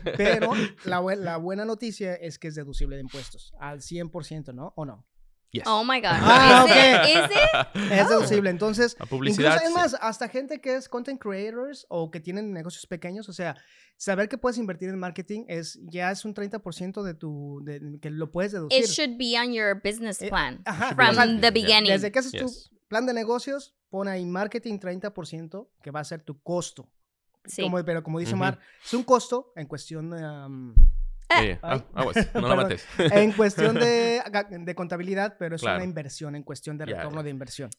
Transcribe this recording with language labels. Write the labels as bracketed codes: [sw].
[es] Pero la buena noticia es que es deducible de impuestos al 100%, ¿no? ¿O no? [en] Yes. Oh, my God. [es] Es deducible. Entonces, a publicidad, incluso, además, hasta gente que es content creators o que tienen negocios pequeños, o sea, saber que puedes invertir en marketing es un 30% de tu... que lo puedes deducir. [en] It should be on your business plan the beginning. [es] Desde que haces tu plan de negocios, pon ahí marketing 30%, que va a ser tu costo. Sí. Como dice Mar, es un costo en cuestión de... no la mates. En cuestión de contabilidad, pero es una inversión, en cuestión de retorno de inversión.